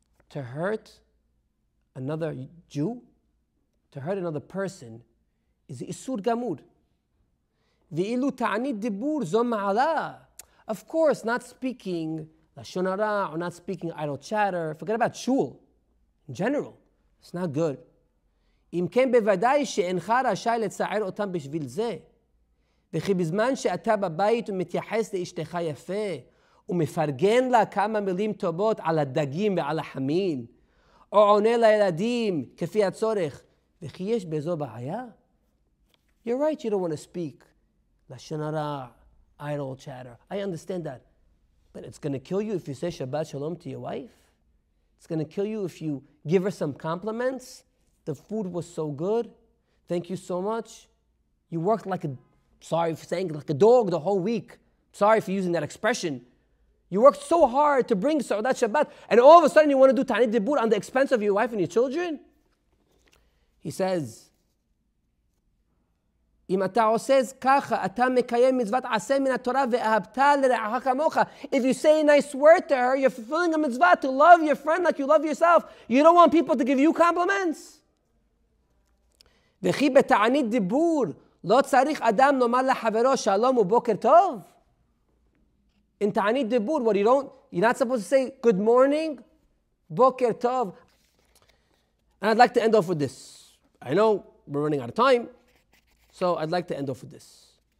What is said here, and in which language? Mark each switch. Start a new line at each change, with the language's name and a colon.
English: To hurt another Jew, to hurt another person, is
Hebrew: isur gamur. Ve'ilu ta'anit dibur zo ma'ala.
English: Of course, not speaking lashon hara, or not speaking idle chatter. Forget about shul. In general, it's not good.
Hebrew: אם כן בוודאי שאינך רשאי לצער אותם בשביל זה. וכי בזמן שאתה בבית ומתייחס לאשתך יפה, ומפרגן לה כמה מילים טובות על הדגים ועל החמין, או עונה לילדים כפי הצורך, וכי יש בזו בעיה?
English: You're right, you don't want to speak. לשון הרע, idle chatter. I understand that. But it's going to kill you if you say Shabbat Shalom to your wife. It's going to kill you if you give her some compliments. The food was so good. Thank you so much. You worked like a, sorry for saying, like a dog the whole week. Sorry for using that expression. You worked so hard to bring Sa'udat Shabbat, and all of a sudden you want to do Ta'anit Dibur on the expense of your wife and your children? He says,
Hebrew: אם אתה עושה ככה, אתה מקיים מצוות עשה מן התורה ואהבת לרעך כמוך.
English: If you say a nice word to her, you're fulfilling a mitzvah to love your friend like you love yourself. You don't want people to give you compliments.
Hebrew: וכי בתענית דיבור, לא צריך אדם לומר לחברו שלום ובוקר טוב?
English: In תענית דיבור, what you're not supposed to say good morning,
Hebrew: בוקר טוב.
English: And I'd like to end off with this. I know we're running out of time. So I'd like to end off with this.